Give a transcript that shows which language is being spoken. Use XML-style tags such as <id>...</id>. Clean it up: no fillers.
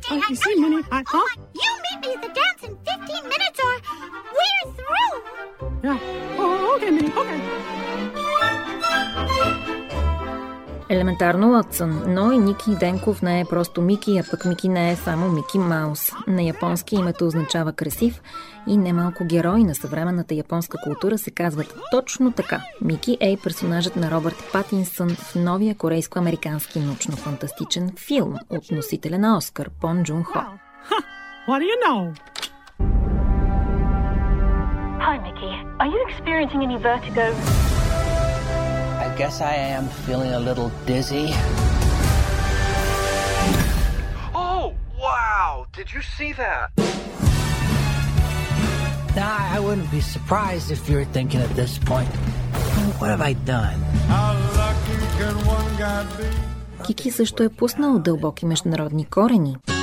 <en>You see, Minnie, you meet me at the dance in 15 minutes or we're through!</en> <bg>Елементарно, Уотсън, но и Ники Денков не е просто Мики, а пък Мики не е само Мики Маус. На японски името означава красив и немалко герои на съвременната японска култура се казват точно така. Мики е персонажът на Робърт Патинсън в новия корейско-американски научно-фантастичен филм от носителя на Оскар Бон Джун Хо.</bg> <en>What do you know? Are you experiencing any vertigo? I guess I am feeling a little dizzy. Oh, wow! Did you see that? Nah, I wouldn't be surprised if you're thinking at this point, what have I done? How lucky can one guy be?</en> <bg>Кики също е пуснал дълбоки международни корени.</bg>